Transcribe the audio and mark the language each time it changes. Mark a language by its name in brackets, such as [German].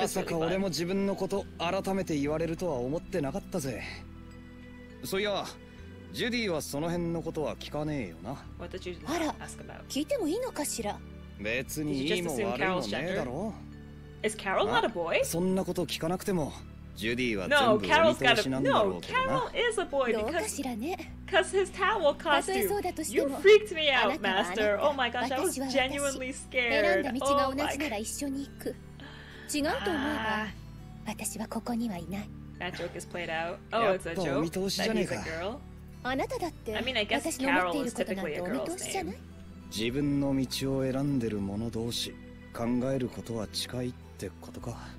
[Japanese] まさか俺も自分のこと改めて言われるとは思ってなかったぜ。そういや、ジュディはその辺のことは聞かねえよな。 [English] What did you ask about? [Japanese] 聞いてもいいのかしら。別にいいも悪いもねえだろ。 [English] Is Carol not a boy? [Japanese] そんなこと聞かなくても。 [English] No, Carol's got a... No, Carol is a boy because his towel costume. You freaked me out, Master. Oh my gosh, I was genuinely scared. Oh my gosh. That joke is played out. Oh, it's a joke that he's a girl? I mean, I guess Carol is typically a girl's name. [Japanese] 自分の道を選んでる者同士、考えることは近いってことか。